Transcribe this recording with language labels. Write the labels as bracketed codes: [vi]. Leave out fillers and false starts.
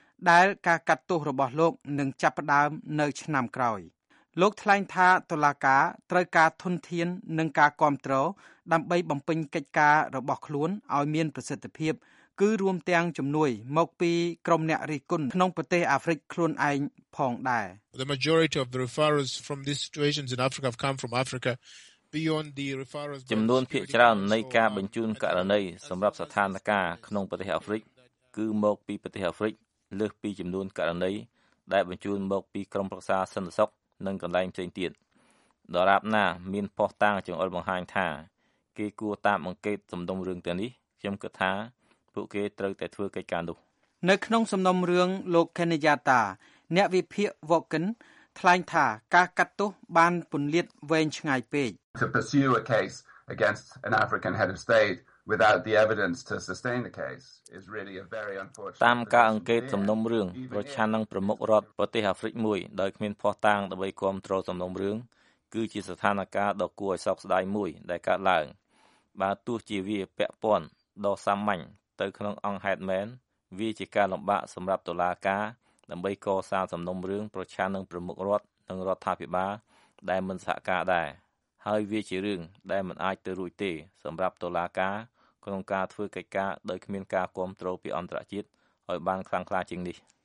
[km] ដែលការកាត់ទោសរបស់លោកនឹងចាប់ផ្ដើមនៅឆ្នាំក្រោយលោកថ្លែងថាតុលាការត្រូវការធនធាននិងការគ្រប់គ្រងដើម្បីបំពេញកិច្ចការរបស់ខ្លួនឲ្យមានប្រសិទ្ធភាពគឺរួមទាំងជំនួយមកពីក្រុមអ្នករិះគន់ក្នុងប្រទេសអាហ្វ្រិកខ្លួនឯងផងដែរ [en] The majority of the referrals from these situations in Africa have come from Africa beyond the referrals [km] ចំនួនភាគច្រើននៃការបញ្ជូនករណីសម្រាប់ស្ថានភាពក្នុងប្រទេសអាហ្វ្រិកគឺមកពីប្រទេសអាហ្វ្រិកលើសពីចំនួនករណីដែលបញ្ជូនមកពីក្រមប្រឹក្សាសន្តិសុខនិងកន្លែងផ្សេងទៀតដរាបណាមានភស្តុតាងចង្អុលបង្ហាញថាគេគួរតាមអង្កេតសំណុំរឿងទាំងនេះខ្ញុំគិតថាពួកគេត្រូវតែធ្វើកិច្ចការនោះ នៅក្នុងសំណុំរឿងលោក Kenyatta អ្នកវិភាគ Woken ថ្លែងថាការកាត់ទោសបានពន្លាតវែងឆ្ងាយពេក [en] To pursue a case against an African head of state without the evidence to sustain the case is really a very unfortunate [km] តាមការអង្កេតសំណុំរឿងប្រឆាំងនឹងប្រមុខរដ្ឋប្រទេសអាហ្វ្រិកមួយដោយគ្មានភស្តុតាងដើម្បីគ្រប់គ្រងសំណុំរឿងគឺជាស្ថានភាពដ៏គួរឲ្យសោកស្ដាយមួយដែលកើតឡើង បើទោះជាវាពាក់ព័ន្ធដ៏សាមញ្ញទៅក្នុងអង្គហេតមែនវាជាការលំបាកសម្រាប់តុលាការដើម្បីកសាងសំណុំរឿងប្រឆាំងនឹងប្រមុខរដ្ឋនិងរដ្ឋាភិបាលដែលមិនសហការដែរហើយវាជារឿងដែលមិនអាចទៅរួចទេសម្រាប់តុលាការក្នុងការធ្វើកិច្ចការដោយគ្មានការគ្រប់គ្រងពីអន្តរជាតិឲ្យបានខ្លាំងក្លាជាងនេះ